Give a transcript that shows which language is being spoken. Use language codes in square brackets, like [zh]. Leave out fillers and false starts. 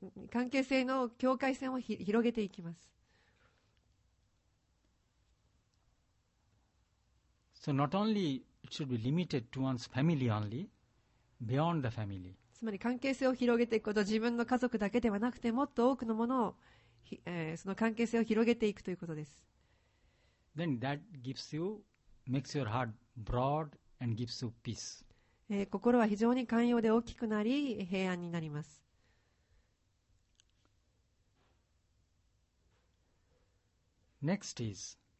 [ja] 関係性の境界線を広げていきます。 [en] So not only it should be limited to one's family only. Beyond the family. [ja] つまり関係性を広げていくこと、自分の家族だけではなくてもっと多くのものを、その関係性を広げていくということです。 [en] Then that gives you, makes your heart broad and gives you peace. [ja] 心は非常に寛容で大きくなり平安になります。 [en] Next is.